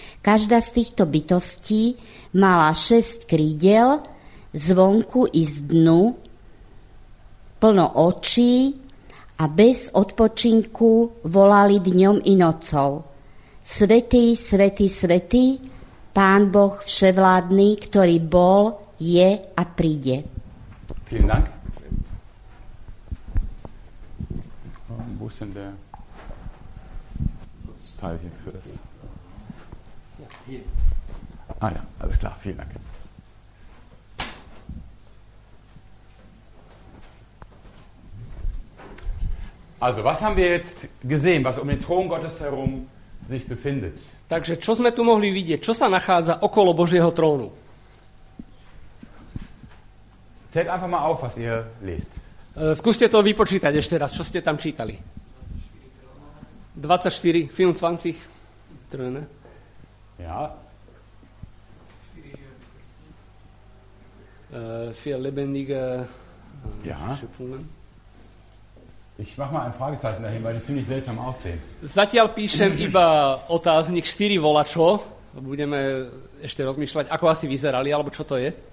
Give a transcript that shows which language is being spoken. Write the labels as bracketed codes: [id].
[sk] Každá z týchto bytostí mala 6 krídel zvonku i z dnu, plno očí a bez odpočinku volali dňom i nocou. Svätý, svätý, svätý, Pán Boh vševládny, ktorý bol, je a príde. [de] Vielen Dank. Wo ist denn der Teil hier für das? Ja, hier. Ah ja, alles klar, vielen Dank. Also, was haben wir jetzt gesehen, was um den Thron Gottes herum sich befindet? [sk] Takže čo sme tu mohli vidieť, čo sa nachádza okolo Božieho trónu? [de] Zählt einfach mal auf, was ihr lest. [sk] Skúste to vypočítať ešte raz, čo ste tam čítali. 24 trónov. 24 tróny. [de] Ja. 4 lebendige. Ja. Ich mach mal ein Fragezeichen dahin, weil die ziemlich seltsam aussehen. [sk] Zatiaľ píšem iba otáznik 4 volačo. Budeme ešte rozmýšľať, ako asi vyzerali, alebo čo to je.